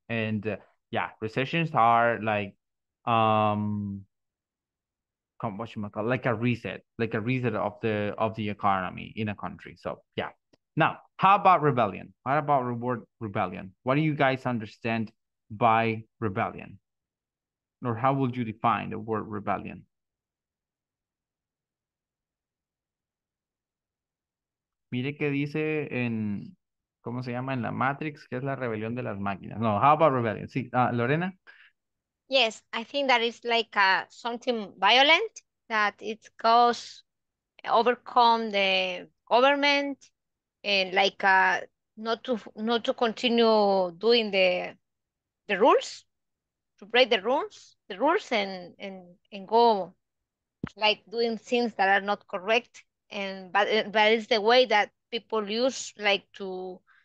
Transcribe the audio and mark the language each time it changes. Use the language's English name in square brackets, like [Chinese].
[English] And yeah, recessions are like whatchamacallit, like a reset of the economy in a country. So yeah. Now, how about rebellion? What about reward rebellion? What do you guys understand by rebellion? Or how would you define the word rebellion? [Spanish] Mire qué dice en, ¿cómo se llama? En la Matrix, que es la rebelión de las máquinas. [English] No, how about rebellion? Sí, Lorena. Yes, I think that is like something violent that it goes overcome the government and like not to continue doing the rules, to break the rules and go like doing things that are not correct, and but it's the way that people use like to